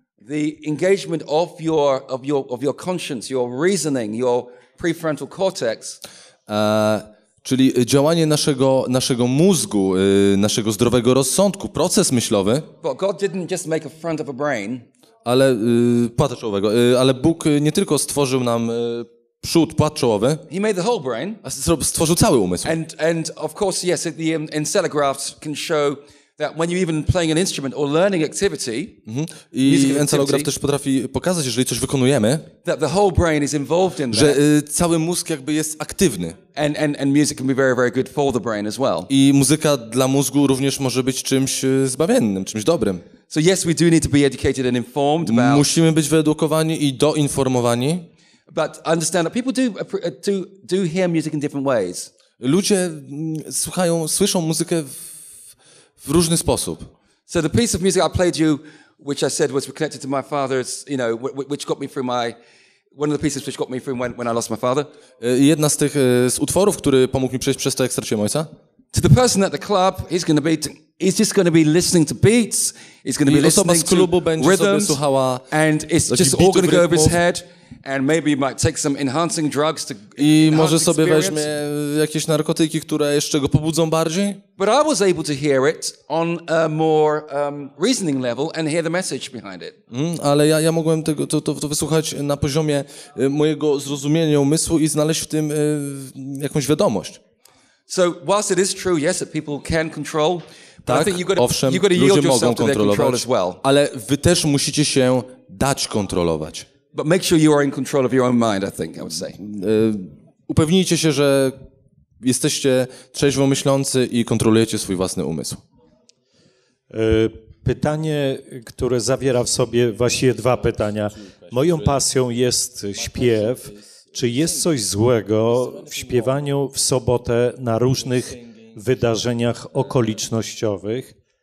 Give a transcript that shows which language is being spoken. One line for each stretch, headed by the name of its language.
English: The engagement of your conscience, your reasoning, your prefrontal cortex.
Polish: Czyli działanie naszego mózgu, naszego zdrowego rozsądku, proces myślowy.
English: But God didn't just make a front of a brain.
Polish: Ale płata czołowego. Ale Bóg nie tylko stworzył nam przód, płat czołowy.
English: He made the whole brain.
Polish: Stworzył cały umysł.
English: And of course, yes, the encephalographs can show that when you're even playing an instrument or learning activity. Mm-hmm.
Polish: I encefalograf też potrafi pokazać, jeżeli coś wykonujemy,
English: that the whole brain is involved in that.
Polish: Że cały mózg jakby jest aktywny.
English: And music can be very, very good for the brain as well.
Polish: I muzyka dla mózgu również może być czymś zbawiennym, czymś dobrym.
English: So yes, we do need to be educated and informed about.
Polish: Musimy być wyedukowani i doinformowani.
English: But understand that people do hear music in different ways.
Polish: Ludzie słyszą muzykę w różny sposób.
English: So the piece of music I played you, which I said was connected to my father's, you know, which got me through my one of the pieces which got me through when I lost my father.
Polish: Jedna z tych z utworów, który pomógł mi przejść przez to, jak straciłem ojca.
English: To the person at the club, he's just going to be listening to beats. He's going to be listening to rhythms. And it's just all going to go over his head. And maybe you might take some enhancing drugs to
Polish: i może sobie weźmie jakieś narkotyki, które jeszcze go pobudzą bardziej.
English: But I was able to hear it on a more reasoning level and hear the message behind it.
Polish: Ale ja mogłem tego to wysłuchać na poziomie mojego zrozumienia umysłu i znaleźć w tym jakąś wiadomość.
English: So whilst it is true, yes, that people can control.
Polish: Tak, owszem, ludzie mogą kontrolować, ale wy też musicie się dać kontrolować.
English: But make sure you are in control of your own mind, I think, I would say.
Polish: Upewnijcie się, że jesteście trzeźwo myślący i kontrolujecie swój własny umysł. Pytanie, które zawiera w sobie właściwie dwa pytania. Moją pasją jest śpiew. Czy jest coś złego w śpiewaniu w sobotę na różnych wydarzeniach okolicznościowych?